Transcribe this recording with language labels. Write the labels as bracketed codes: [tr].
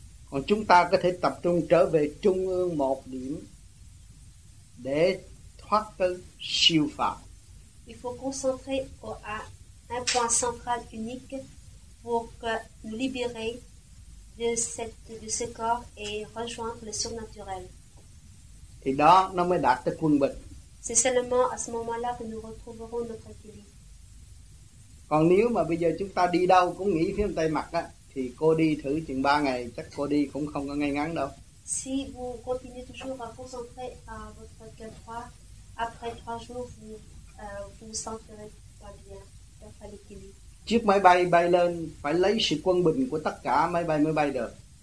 [vi] Còn chúng ta có thể tập trung trở về trung ương một điểm để thoát tới siêu phàm. [fr] Il faut concentrer à un point central unique pour nous libérer de ce corps et rejoindre le surnaturel. [vi] Thì đó nó mới đạt tới quân bình. [fr] C'est seulement à ce moment-là que nous retrouverons notre équilibre. [vi] Còn nếu mà bây giờ chúng ta đi đâu cũng nghĩ phía bên tay mặt á, thì cô đi thử chừng 3 ngày chắc cô đi cũng không có ngay ngắn đâu. [fr] Si vous continuez toujours à concentrer à votre cœur droit, après 3 jours vous sentirez pas bien. [vi] Chiếc máy bay bay lên phải lấy sự quân bình của tất cả máy bay mới bay được.